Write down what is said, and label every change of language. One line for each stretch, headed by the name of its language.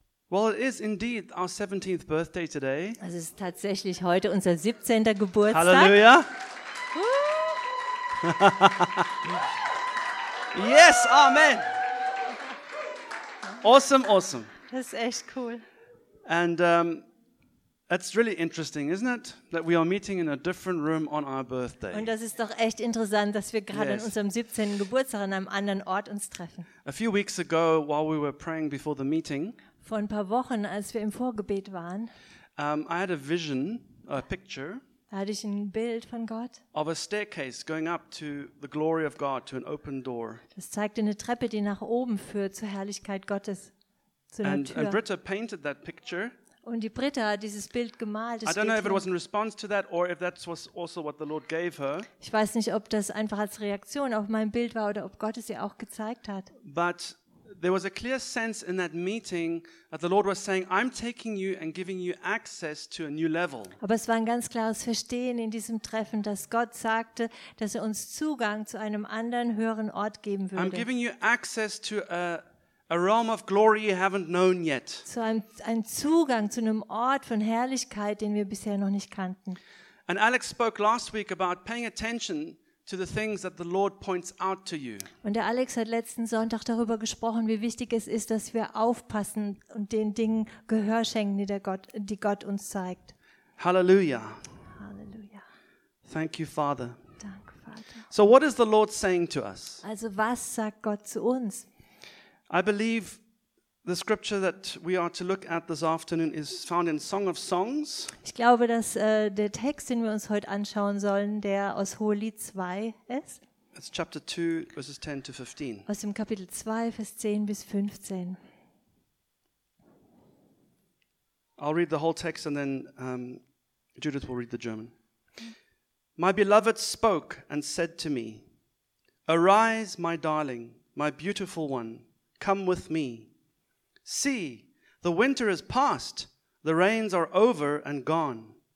English: Well, it is indeed our 17th birthday today.
German: Es ist tatsächlich heute unser 17. Geburtstag. Halleluja.
English: Yes, amen. Awesome, awesome.
German: Das ist echt cool.
English: And that's really interesting, isn't it? That we are meeting in a different room on our birthday.
German: Und das ist doch echt interessant, dass wir gerade an unserem 17. Geburtstag an einem anderen Ort uns treffen.
English: A few weeks ago, while we were praying before the meeting,
German: vor ein paar Wochen, als wir im Vorgebet waren,
English: I had a vision, a picture,
German: hatte ich ein Bild von Gott,
English: of a staircase going up to the glory of God, to an open door.
German: Das zeigte eine Treppe, die nach oben führt zur Herrlichkeit Gottes, zu einer Tür.
English: And Britta painted that picture.
German: Und die Britta hat dieses Bild gemalt.
English: I don't know if it was in response to that or if that was also what the Lord gave her.
German: Ich weiß nicht, ob das einfach als Reaktion auf mein Bild war oder ob Gott es ihr auch gezeigt hat.
English: But there was a clear sense in that meeting that the Lord was saying, I'm taking you and giving you access to a new level.
German: Aber es war ein ganz klares Verstehen in diesem Treffen, dass Gott sagte, dass er uns Zugang zu einem anderen, höheren Ort geben würde.
English: I'm giving you access to a realm of glory you haven't known yet.
German: Zu einem Zugang zu einem Ort von Herrlichkeit, den wir bisher noch nicht kannten.
English: And Alex spoke last week about paying attention to the things that the Lord points out to you.
German: Und der Alex hat letzten Sonntag darüber gesprochen, wie wichtig es ist, dass wir aufpassen und den Dingen Gehör schenken, die Gott uns zeigt. Halleluja. Halleluja.
English: Thank you, Father.
German: Danke, Vater.
English: So what is the Lord saying to us?
German: Also, was sagt Gott zu uns?
English: I believe the scripture that we are to look at this afternoon is found in Song of Songs.
German: Ich glaube, dass der Text, den wir uns heute anschauen sollen, der aus Hohelied 2 ist.
English: It's chapter 2, verses 10 to 15.
German: Aus dem Kapitel 2, Vers 10 bis 15.
English: I'll read the whole text and then Judith will read the German. My beloved spoke and said to me, Arise, my darling, my beautiful one, come with me. See, the winter is past, the rains are over and gone.